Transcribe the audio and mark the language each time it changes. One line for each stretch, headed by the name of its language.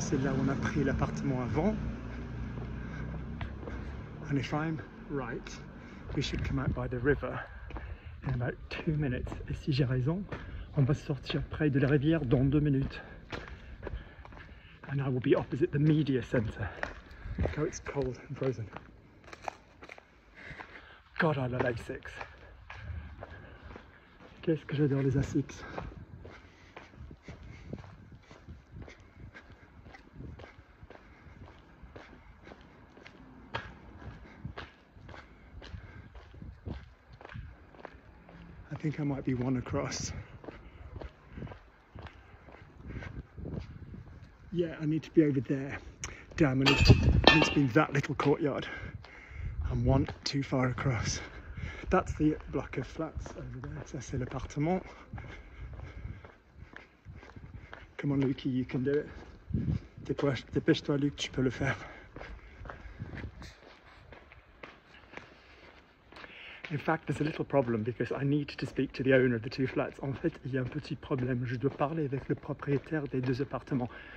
French: C'est là où on a pris l'appartement avant.
English: And if I'm right, we should come out by the river. In about 2 minutes.
French: Et si j'ai raison, on va sortir près de la rivière dans 2 minutes.
English: And I will be opposite the media center. Look how it's cold and frozen. God, I love Asics.
French: Qu'est-ce que j'adore les Asics.
English: I think I might be one across. Yeah, I need to be over there. Damn, it's been that little courtyard. I'm one too far across. That's the block of flats over there.
French: Ça, c'est l'appartement.
English: Come on, Lukey, you can do it.
French: Dépêche-toi, Luke, tu peux le faire.
English: In fact, there's a little problem because I need to speak to the owner of the two flats.
French: En fait, il y a un petit problème. Je dois parler avec le propriétaire des deux appartements.